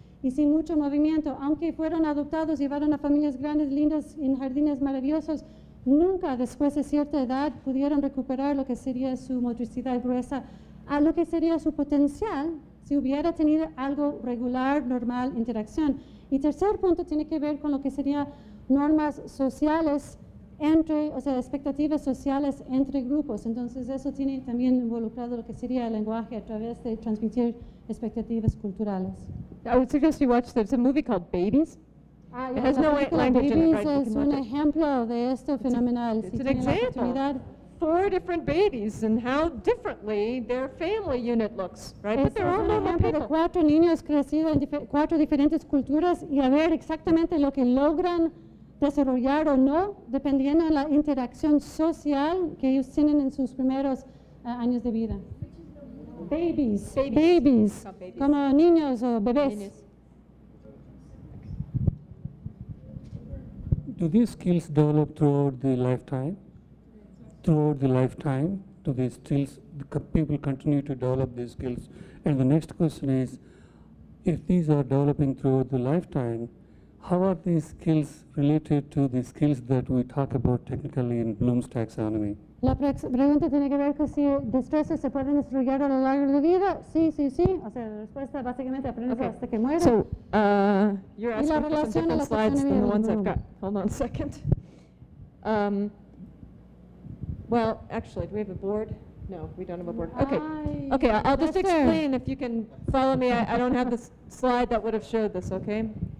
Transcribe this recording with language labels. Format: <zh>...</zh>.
<es>y sin mucho movimiento, aunque fueron adoptados, llevaron a familias grandes, lindas, en jardines maravillosos, nunca después de cierta edad pudieron recuperar lo que sería su motricidad gruesa a lo que sería su potencial si hubiera tenido algo regular, normal, interacción. Y tercer punto tiene que ver con lo que serían normas sociales entre, o sea, expectativas sociales entre grupos. Entonces, eso tiene también involucrado lo que sería el lenguaje a través de transmitir expectativas culturales.</es> <en>I would suggest you watch, there's a movie called Babies. It has no language in it, right? Babies</en> <es>es un ejemplo de esto fenomenal.</es> <en>It's an example. Four different babies and how differently their family unit looks, right? But they're all normal people.</en> <es>De cuatro niños crecidos en cuatro diferentes culturas y a ver exactamente lo que logran desarrollar o no, dependiendo de la interacción social que ellos tienen en sus primeros años de vida.</es> <en>Babies. Babies.</en> <es>Como niños o bebés.</es> <en>Do these skills develop throughout the lifetime? Throughout the lifetime, do these skills, the people continue to develop these skills? And the next question is, if these are developing throughout the lifetime, how are these skills related to the skills that we talk about technically in Bloom's taxonomy?</en> <es>La pregunta tiene que ver con si destrezas se pueden desarrollar a lo largo de la vida. Sí, sí, sí. O sea, la respuesta básicamente aprendes hasta que mueres.</es> <en>So, you're asking for some different slides than the ones I've got. Hold on a second. Well, actually, do we have a board? No, we don't have a board. Okay. Okay, I'll just explain if you can follow me. I don't have this slide that would have showed this, okay?</en>